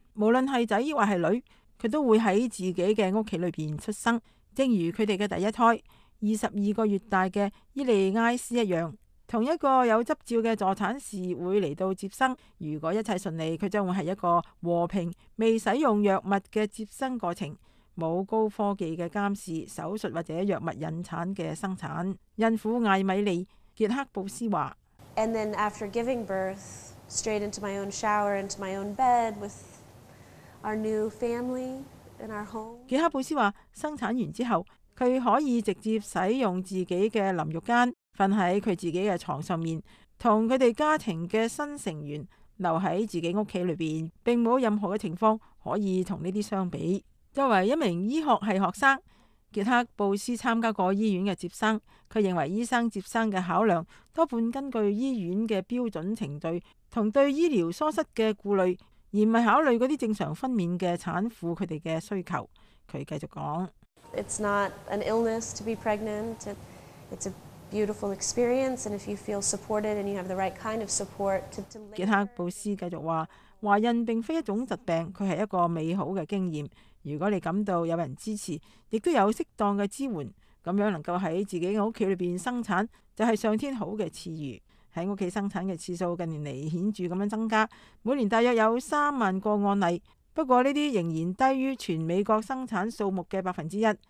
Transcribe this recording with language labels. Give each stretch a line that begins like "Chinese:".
Chinese: 无论是仔或是女，他都会在自己的屋企里面出生，正如他们的第一胎22个月大的伊利埃斯一样，同一个有执照的助产士会来到接生。如果一切顺利，他将会是一个和平未使用药物的接生过程，没有高科技的监视、手术或者药物引产的生产。孕妇艾米莉·杰克布斯说，
English: And then after giving birth, straight into my own shower, into my own bed withOur new family in our home.
Chinese: 杰克布斯说，生产完之后，他可以直接使用自己的淋浴间，睡在他自己的床上面，和他们家庭的新成员留在自己家里面，并没有任何的情况可以和这些相比。作为一名医学系学生，杰克布斯参加过医院的接生，他认为医生接生的考量多半根据医院的标准程序和对医疗疏失的顾虑，而不是考虑那些正常分娩的产妇他们的需求。他继续说，
English: It's not an illness to be pregnant. It's a beautiful experience. And if you feel supported and you have the right kind of support to deliver.
Chinese: 杰克布斯继续说，怀孕并非一种疾病，它是一个美好的经验。如果你感到有人支持，亦都有适当的支援，这样能够在自己的家里面生产，就是上天好的赐予。在屋企生产的次数近年来显著增加，每年大约有30,000个案例，不过这些仍然低于全美国生产数目的1%。